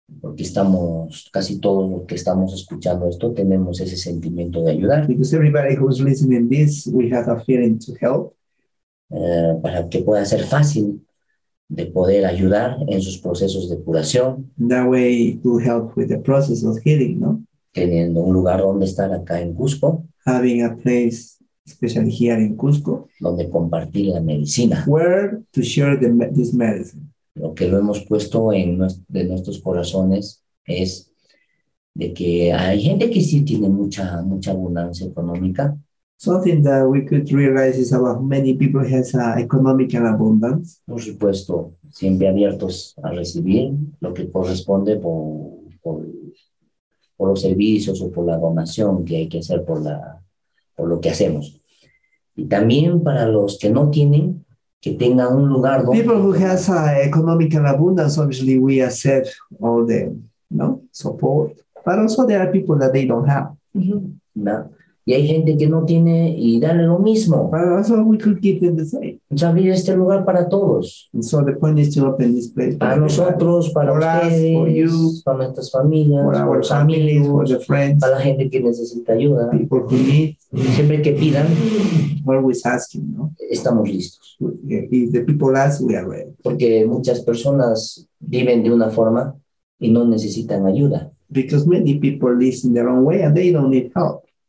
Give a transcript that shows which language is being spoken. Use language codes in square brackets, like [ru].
[es] Porque estamos, casi todos los que estamos escuchando esto, tenemos ese sentimiento de ayudar. [en] Because everybody who's listening this, we have a feeling to help. [es] Para que pueda ser fácil de poder ayudar en sus procesos de curación. [en] That way to help with the process of healing, no? [es] Teniendo un lugar donde estar acá en Cusco. [en] Having a place, especially here in Cusco. [es] Donde compartir la medicina. [en] Where to share this medicine. [es] Lo que lo hemos puesto en de nuestros corazones es de que hay gente que sí tiene mucha abundancia económica. [en] Something that we could realize is about many people has economic abundance. [es] Por supuesto, siempre abiertos a recibir lo que corresponde por los servicios o por la donación que hay que hacer por lo que hacemos. Y también para los que no tienen, que tengan un lugar donde... [en] People who has economic abundance, obviously we accept all the support. But also there are people that they don't have. [es] Mm-hmm. ¿No? Y hay gente que no tiene y darle lo mismo. [en] But also we could keep them the same. [es] Es abrir este lugar para todos. [en] And so the point is to open this place. [es] Para nosotros, para ustedes, [en] for you, [es] para nuestras familias, [en] for our families, for the friends, [es] para la gente que necesita ayuda. [en] People who need. [es] Siempre que pidan. [en] We're always asking, ¿no? [es] Estamos listos. [en] If the people ask, we are ready. [es] Porque muchas personas viven de una forma y no necesitan ayuda. [en] Because many people live in their own way and they don't need help.